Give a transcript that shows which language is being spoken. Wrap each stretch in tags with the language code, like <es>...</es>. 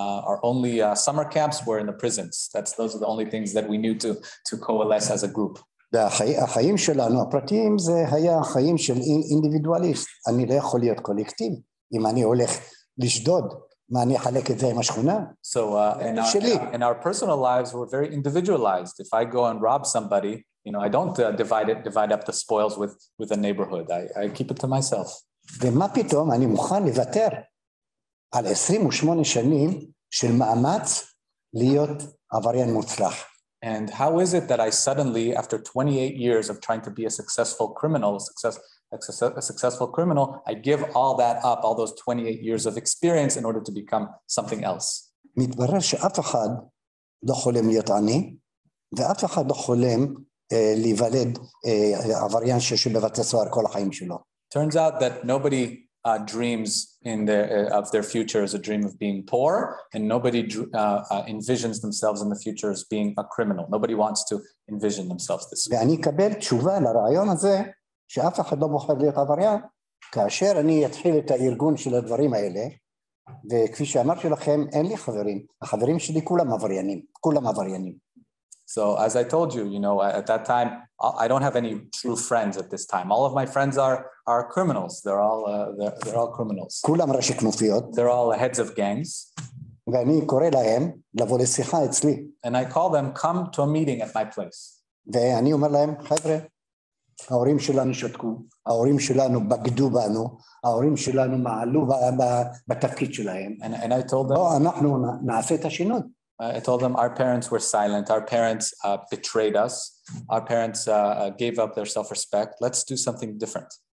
<en>Our only summer camps were in the prisons. Those are the only things that we knew to coalesce as a group.</en> <he>והחיים שלנו, הפרטיים, זה היה חיים של אינדיבידואליסט. אני לא יכול להיות קולקטיב. אם אני הולך לשדוד, מה אני אחלק את זה עם השכונה?</he> <en>So, in our personal lives, we're very individualized. If I go and rob somebody, you know, I don't divide up the spoils with the neighborhood. I keep it to myself.</en> <he>ומה פתאום אני מוכן לוותר על 28 שנים של מאמץ להיות עבריין מוצלח?</he> <en>And how is it that I suddenly, after 28 years of trying to be a successful criminal, a successful criminal, I give all that up, all those 28 years of experience in order to become something else?</en> <he>מתברר שאף אחד לא חולם להיות עני, ואף אחד לא חולם להיוולד עבריין שבבתי סוהר כל החיים שלו.</he> <en>Turns out that nobody dreams of their future as a dream of being poor, and nobody envisions themselves in the future as being a criminal. Nobody wants to envision themselves this way.</en> <he>ואני אקבל תשובה לרעיון הזה שאף אחד לא מוכן להיות עבריין, כאשר אני אתחיל את הארגון של הדברים האלה, וכפי שאמרתי לכם, אין לי חברים. החברים שלי כולם עבריינים, כולם עבריינים.</he> <en>So as I told you, you know, at that time, I don't have any true friends at this time. All of my friends are criminals. They're all criminals.</en> <he>כולם ראשי כנופיות.</he> <en>They're all heads of gangs.</en> <he>ואני קורא להם לבוא לשיחה אצלי.</he> <en>And I call them, come to a meeting at my place.</en> <he>ואני אומר להם, חבר'ה, ההורים שלנו שתקו, ההורים שלנו בגדו בנו, ההורים שלנו מעלו בתפקיד שלהם.</he> <en>And I told them,</en> <he>אנחנו נעשה את השינוי.</he> <en>I told them our parents were silent, our parents betrayed us, our parents gave up their self-respect. Let's do something different.</en>